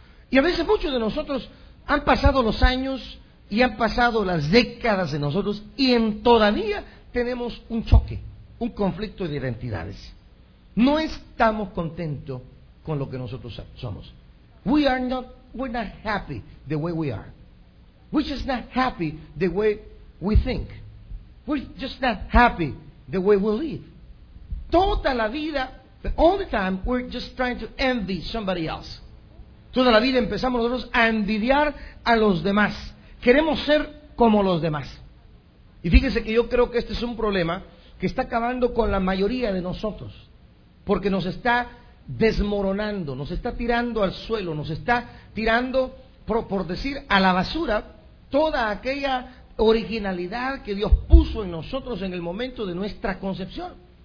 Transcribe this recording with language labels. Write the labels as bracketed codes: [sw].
[es] Y a veces muchos de nosotros han pasado los años y han pasado las décadas de nosotros y en todavía tenemos un choque, un conflicto de identidades. No estamos contentos con lo que nosotros somos. [en] We're not happy the way we are. We're just not happy the way we think. We're just not happy the way we live. [es] Toda la vida, [en] all the time, we're just trying to envy somebody else. [es] Toda la vida empezamos nosotros a envidiar a los demás. Queremos ser como los demás. Y fíjese que yo creo que este es un problema que está acabando con la mayoría de nosotros. Porque nos está desmoronando, nos está tirando al suelo, nos está tirando, por decir, a la basura, toda aquella originalidad que Dios puso en nosotros en el momento de nuestra concepción.